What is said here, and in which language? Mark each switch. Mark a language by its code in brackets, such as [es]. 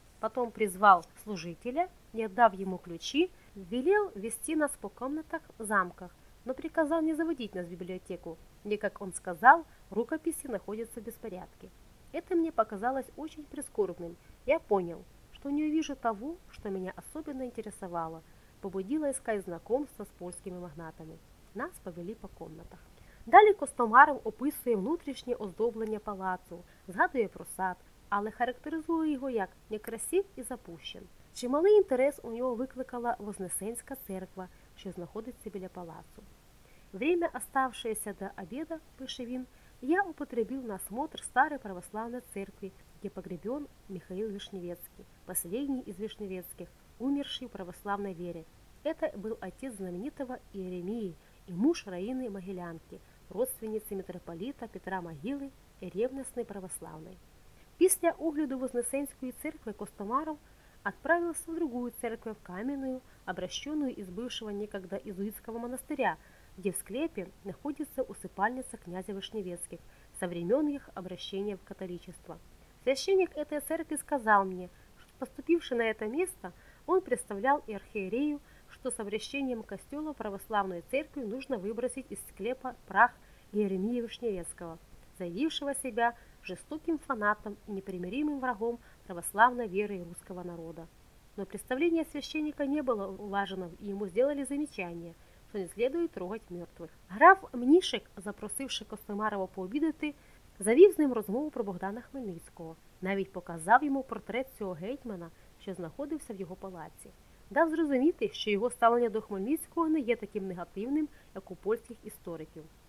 [ru] Потом призвал служителя и, отдав ему ключи, велел вести нас по комнатах в замках, но приказал не заводить нас в библиотеку, мне, как он сказал, рукописи находятся в беспорядке. Это мне показалось очень прискорбным. Я понял, что не увижу того, что меня особенно интересовало, побудило искать знакомство с польскими магнатами. Нас повели по комнатах. [uk] Далі Костомаров описує внутрішнє оздоблення палацу, згадує про сад, але характеризує його як [ru] некрасив [uk] і [ru] запущен. [uk] Чималий інтерес у нього викликала Вознесенська церква, що знаходиться біля палацу. [ru] «Время, оставшееся до обіду, – [uk] пише він, [ru] – я употребив на осмотр старої православної церкви, де погребен Михаил Вишневецький, последний із Вишневецьких, умерший в православной вере. Это был отец знаменитого Иеремии и муж Раины Могилянки, родственницы митрополита Петра Могилы и ревностной православной». [uk] Після огляду Вознесенської церкви [ru] Костомаров отправился в другую церковь в Кам'яну, обращенную из бывшего некогда иезуитского монастыря, где в склепе находится усыпальница князя Вишневецких со времен их обращения в католичество. Священник этой церкви сказал мне, что поступивший на это место, он представлял архиерею, что с обращением костела православной церкви нужно выбросить из склепа прах Иеремии Вишневецкого, заявившего себя жестоким фанатом и непримиримым врагом православной веры и русского народа. Но представление священника не было улажено, и ему сделали замечание, что не следует трогать мертвых. [uk] Граф Мнишек, запросивший Костомарова пообідати, завів з ним розмову про Богдана Хмельницького, навіть показав йому портрет цього гетьмана, що знаходився в його палаці. Дав зрозуміти, що його ставлення до Хмельницького не є таким негативним, як у польських істориків.